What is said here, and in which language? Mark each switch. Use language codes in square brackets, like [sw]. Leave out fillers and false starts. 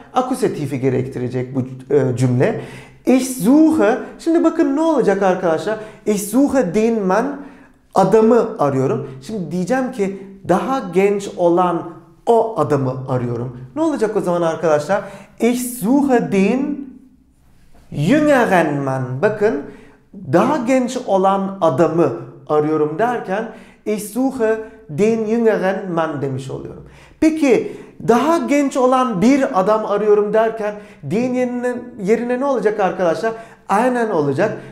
[tr] Akusatifi gerektirecek bu cümle. [de] Ich suche, [tr] şimdi bakın ne olacak arkadaşlar? [de] Ich suche den Mann, [tr] adamı arıyorum. Şimdi diyeceğim ki daha genç olan o adamı arıyorum. Ne olacak o zaman arkadaşlar? [de] Ich suche den jüngeren Mann. [tr] Bakın daha genç olan adamı arıyorum derken [de] ich suche den jüngeren Mann [tr] demiş oluyorum. Peki daha genç olan bir adam arıyorum derken den yerine ne olacak arkadaşlar? Einen olacak.